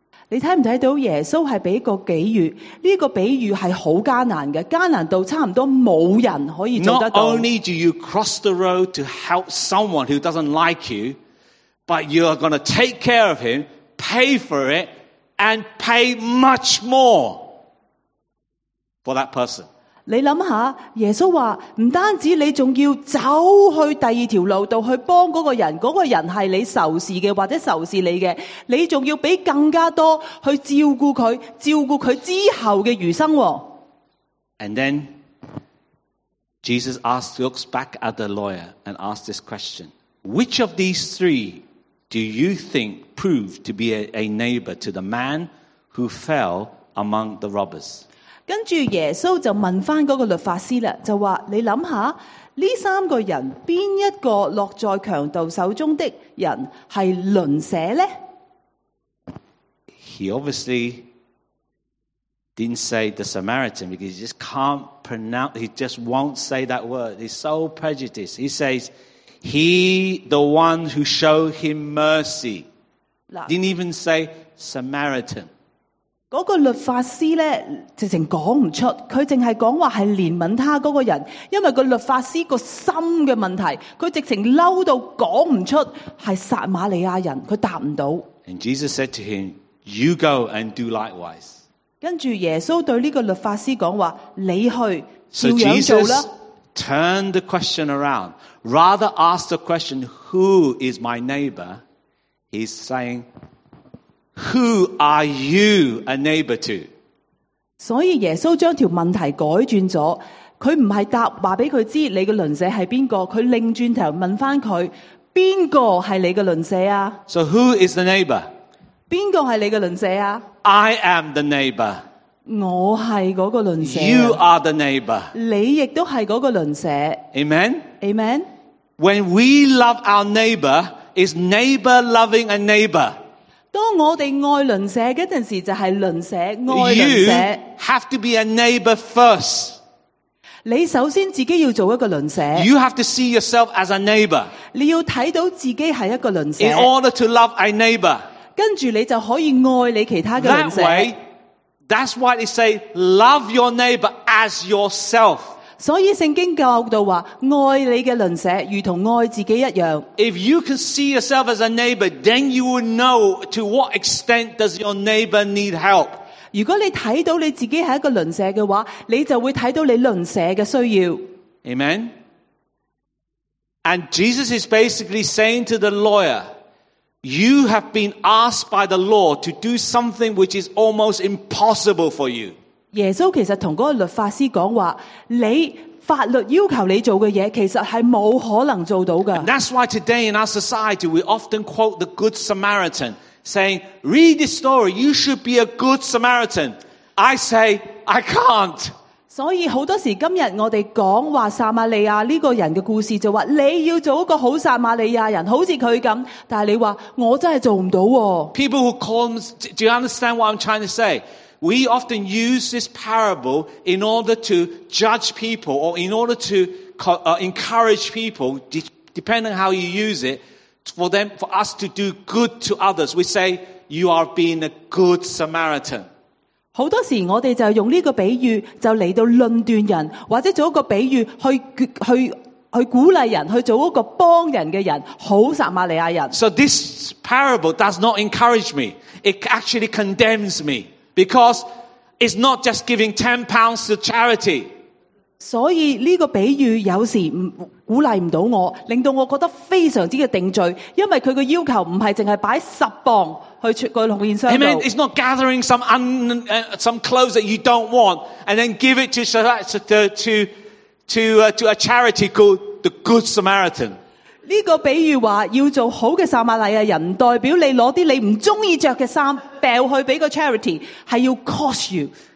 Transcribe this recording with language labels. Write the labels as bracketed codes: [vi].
[yue] 你睇唔睇到耶稣系俾个比喻？呢个比喻系好艰难嘅，艰难到差唔多冇人可以做得到。 [en] Not only do you cross the road to help someone who doesn't like you, but you are going to take care of him, pay for it, and pay much more for that person. [yue] 你想下，耶稣说不单止你还要走去第二条路到去帮那个人，那个人是你仇视的或者仇视你的，你还要给更加多去照顾他，照顾他之后的余生。 [en] And then Jesus looks back at the lawyer and asks this question, which of these three do you think proved to be a neighbor to the man who fell among the robbers? [yue] 跟住耶稣就问翻嗰个律法师啦，就话你谂下呢三个人边一个落在强盗手中的人系邻舍呢 [en] ？He obviously didn't say the Samaritan because he just can't pronounce. He just won't say that word. He's so prejudiced. He says he the one who showed him mercy didn't even say Samaritan. [yue] 那个律法师呢直情讲不出，他只是讲话是怜悯他那个人，因为那个律法师的心的问题，他直情嬲到讲不出是撒玛利亚人，他答不到。 [en] And Jesus said to him, you go and do likewise. [yue] 跟着耶稣对这个律法师讲话，你去照样做了。 [en] So Jesus turned the question around, rather asked the question, who is my neighbor? He's saying,Who are you a neighbor to? [yue] 所以耶稣将条问题改转了，他不是答话俾佢知你的邻舍是边个，他另转头问翻佢边个是你的邻舍啊 [en] ？So who is the neighbor? [yue] 边个是你的邻舍啊 [en] ？I am the neighbor. [yue] 我是那个邻舍。 [en] You are the neighbor. [yue] 你亦都是那个邻舍。 [en] Amen. Amen. When we love our neighbor, is neighbor loving a neighbor? [yue] 当我们爱邻舍的时候就是邻舍爱邻舍。 [en] You have to be a neighbor first. [yue] 你首先自己要做一个邻舍。 [en] You have to see yourself as a neighbor. [yue] 你要看到自己是一个邻舍。 [en] In order to love a neighbor. [yue] 跟着你就可以爱你其他的邻舍。 [en] That way, that's why they say, love your neighbor as yourself. [yue] 所以圣经教导说爱你的邻舍如同爱自己一样。 [en] If you can see yourself as a neighbor, then you will know to what extent does your neighbor need help. [yue] 如果你看到你自己是一个邻舍的话，你就会看到你邻舍的需要。 [en] Amen. And Jesus is basically saying to the lawyer, you have been asked by the law to do something which is almost impossible for you. [yue] 耶稣其实同嗰个律法师讲话，你法律要求你做嘅嘢，其实系冇可能做到噶。 [en] And that's why today in our society we often quote the Good Samaritan, saying, "Read this story, you should be a good Samaritan." I say, I can't. [yue] 所以好多时今日我哋讲话撒玛利亚呢个人嘅故事，就话你要做一个好撒玛利亚人，好似佢咁，但系你话我真系做唔到、哦。 [en] People who call them, do you understand what I'm trying to say? We often use this parable in order to judge people or in order to encourage people, depending on how you use it, for us to do good to others. We say, you are being a good Samaritan. [yue] 很多时候我们就用这个比喻就来到论断人，或者做一个比喻去鼓励人，去做一个帮人的人，好撒玛利亚人。 [en] So this parable does not encourage me. It actually condemns me. Because it's not just giving £10 to charity. [yue] 所以这个比喻有时鼓励不到我，令到我觉得非常之的定罪，因为他的要求不是只是摆十磅去个奉献箱。 [en] Amen. It's not gathering some clothes that you don't want and then give it to a charity called the Good Samaritan. [yue] 这个比喻说要做好的撒玛利亚人，代表你拿些你不喜欢穿的衣服掉去给个 charity， 是要 [en] cost you。